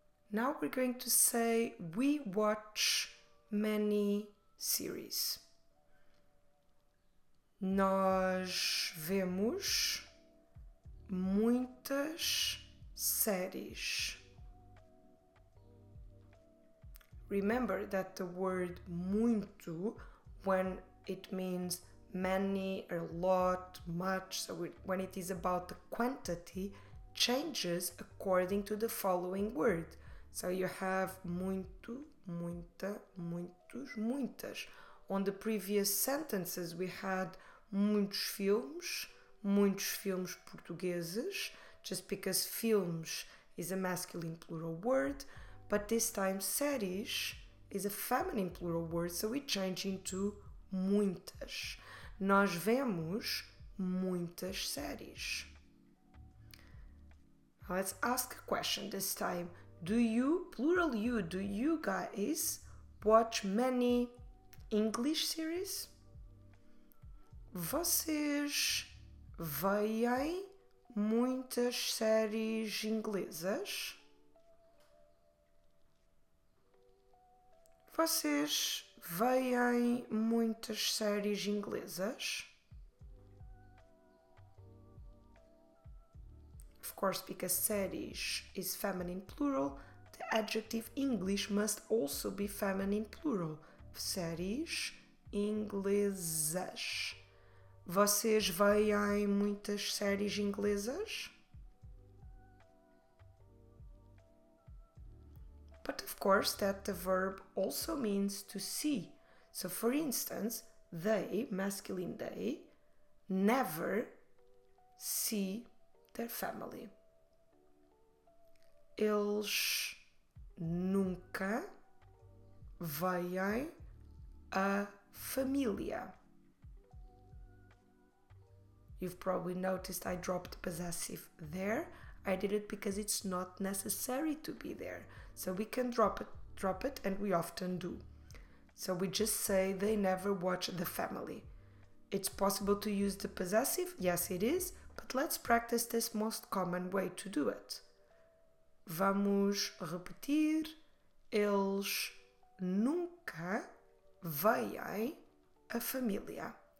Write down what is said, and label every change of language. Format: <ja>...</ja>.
<en>Now we're going to say we watch many series.</en> <pt>Nós vemos muitas séries.</pt> <en>Remember that the word muito, when it means many, a lot, much, so when it is about the quantity, changes according to the following word. So you have muito, muita, muitos, muitas. On the previous sentences, we had</en> <pt>muitos filmes portugueses,</pt> <en>just because filmes is a masculine plural word. But this time, séries is a feminine plural word, so we change into muitas.</en> <pt>Nós vemos muitas séries.</pt> <en>Now let's ask a question this time. Do you, plural you, do you guys watch many English series?</en> <pt>Vocês veem muitas séries inglesas? Vocês veem muitas séries inglesas?</pt> <en>Of course, because séries is feminine plural, the adjective English must also be feminine plural.</en> <pt>Séries inglesas. Vocês veem muitas séries inglesas?</pt> <en>but of course that the verb also means to see. So for instance, they, masculine they, never see their family.</en> <pt>Eles nunca veem a família.</pt> <en>You've probably noticed I dropped possessive there. I did it because it's not necessary to be there. So we can drop it, and we often do. So we just say they never watch the family. It's possible to use the possessive? Yes, it is. But let's practice this most common way to do it.</en> <pt>Vamos repetir. Eles nunca veem a família.</pt>